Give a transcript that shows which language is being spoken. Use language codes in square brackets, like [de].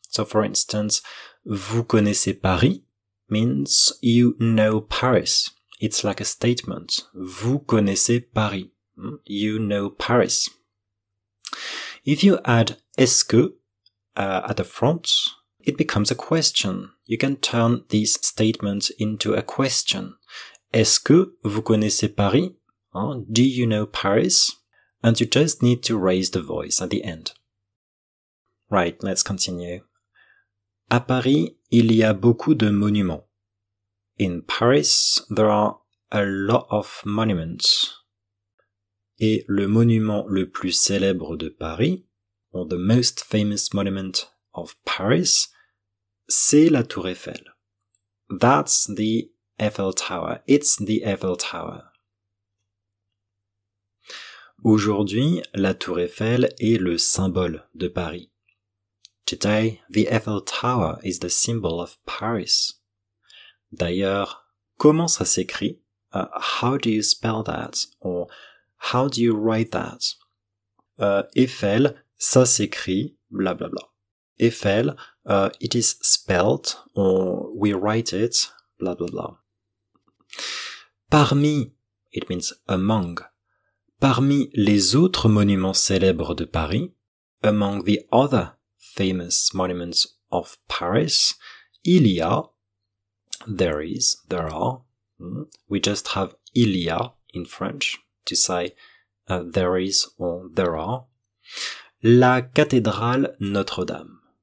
[en] So, for instance, [fr] vous connaissez Paris [en] means you know Paris. It's like a statement. [fr] Vous connaissez Paris. [en] You know Paris. If you add est-ce que at the front, it becomes a question. You can turn this statement into a question. [fr] Est-ce que vous connaissez Paris? [en] Do you know Paris? And you just need to raise the voice at the end. Right, let's continue. [fr] À Paris, il y a beaucoup de monuments. [en] In Paris, there are a lot of monuments. [fr] Et le monument le plus célèbre de Paris, [en] or the most famous monument of Paris, [fr] c'est la Tour Eiffel. [en] That's the Eiffel Tower. It's the Eiffel Tower. [fr] Aujourd'hui, la Tour Eiffel est le symbole de Paris. [en] Today, the Eiffel Tower is the symbol of Paris. [fr] D'ailleurs, comment ça s'écrit? [en] How do you spell that? Or how do you write that? [fr] Eiffel, ça s'écrit, bla bla bla. [en] Eiffel, it is spelled, or we write it, bla bla bla. Parmi, it means among. [fr] Parmi les autres monuments célèbres de Paris, [en] among the other famous monuments of Paris, [fr] il y a, [en] there is, there are. We just have il y a in French to say there is or there are. [fr] La cathédrale Notre-Dame.